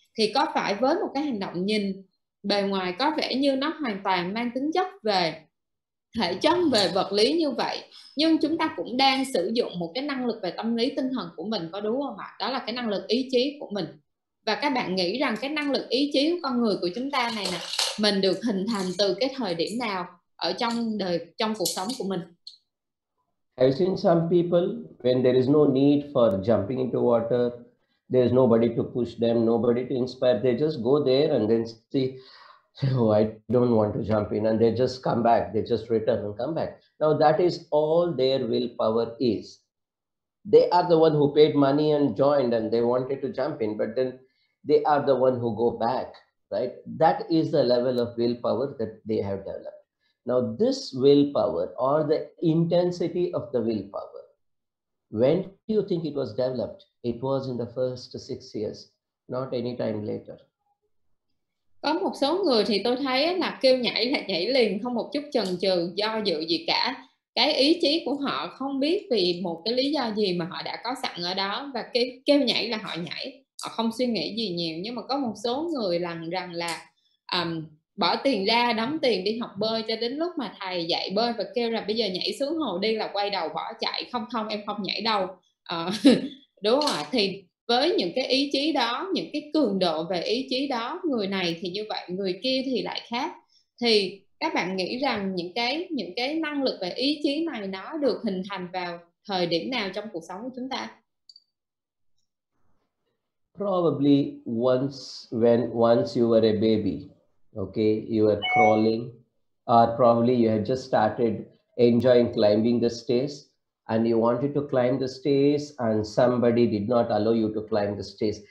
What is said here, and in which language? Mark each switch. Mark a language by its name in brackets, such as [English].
[Vietnamese] Thì có phải với một cái hành động nhìn bề ngoài có vẻ như nó hoàn toàn mang tính chất về thể chất, về vật lý như vậy, nhưng chúng ta cũng đang sử dụng một cái năng lực về tâm lý tinh thần của mình, có đúng không ạ? Đó là cái năng lực ý chí của mình. Và các bạn nghĩ rằng cái năng lực ý chí của con người của chúng ta này nè, mình được hình thành từ cái thời điểm nào ở trong đời, trong cuộc sống của mình? [English] I've seen some people when there is no need for jumping into water, there is nobody to push them, nobody to inspire, they just go there and then see, oh, I don't want to jump in, and they just come back, they just return and come back. Now that is all their willpower is. They are the one who paid money and joined and they wanted to jump in, but then they are the one who go back, right? That is the level of willpower that they have developed. Now this willpower, or the intensity of the willpower, when do you think it was developed? It was in the first 6 years, not any time later. [Vietnamese] Có một số người thì tôi thấy là kêu nhảy là nhảy liền, không một chút chần chừ, do dự gì cả. Cái ý chí của họ không biết vì một cái lý do gì mà họ đã có sẵn ở đó, và kêu nhảy là họ nhảy, họ không suy nghĩ gì nhiều. Nhưng mà có một số người rằng là bỏ tiền ra, đóng tiền đi học bơi cho đến lúc mà thầy dạy bơi và kêu là bây giờ nhảy xuống hồ đi, là quay đầu bỏ chạy, không không em không nhảy đâu. Đúng rồi, thì với những cái ý chí đó, những cái cường độ về ý chí đó, người này thì như vậy, người kia thì lại khác. Thì các bạn nghĩ rằng những cái năng lực về ý chí này nó được hình thành vào thời điểm nào trong cuộc sống của chúng ta? [English] Probably once you were a baby, okay, you were crawling, or probably you had just started enjoying climbing the stairs. And you wanted to climb the stairs and somebody did not allow you to climb the stairs.